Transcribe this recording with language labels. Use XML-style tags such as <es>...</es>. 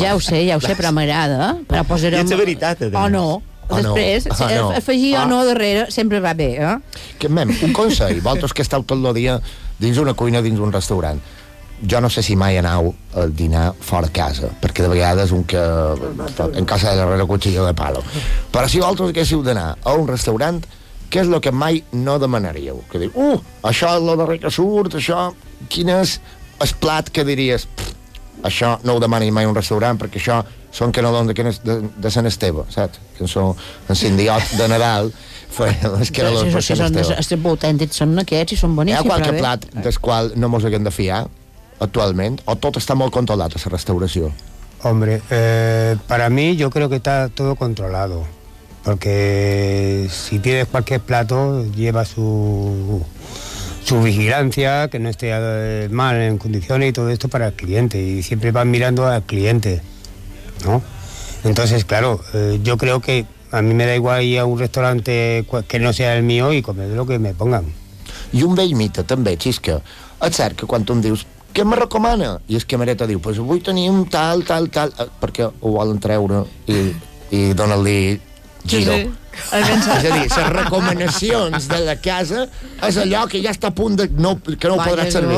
<ca>Ja ho sé, però m'agrada. Però posarem... És la veritat, o no. Després, afegir o no darrere, sempre va bé, eh? Que, mem, un consell. Vosaltres que esteu tot el dia dins una cuina, dins un restaurant. Jo no sé si mai anau a dinar fora casa, perquè de vegades un que...</ca> <es>en casa de darrere cuchillo de palo.</es> <ca>Però si vosaltres haguéssiu d'anar a un restaurant, què és el que mai no demanaríeu? Que diu, això és el darrer que surt, això... Quin és el plat que diries... Això no ho demani mai un restaurant, perquè això són que no donen de Sant Esteve, saps? Que són els indiots de Nadal. Autèntics són aquests i són boníssims. Hi ha qualque plat del qual no mos haguem de fiar actualment? O tot està molt controlat, a la restauració?</ca> <es>Hombre, para mí yo creo que está todo controlado. Porque si pides cualquier plato, lleva su vigilancia, que no esté mal en condiciones y todo esto para el cliente. Y siempre van mirando al cliente, ¿no? Entonces, claro, yo creo que a mí me da igual ir a un restaurante que no sea el mío y comer lo que me pongan.</es> <ca>Y un vell mito també, Xisca. Es cert que quan tu em dius, què me recomana? I el camareta diu, pues vull tenir un tal, tal, tal, perquè ho volen treure i donar-li giro. Sí. És a dir, les recomanacions de la casa és allò que ja està a punt de no, que no ho podrà servir.</ca>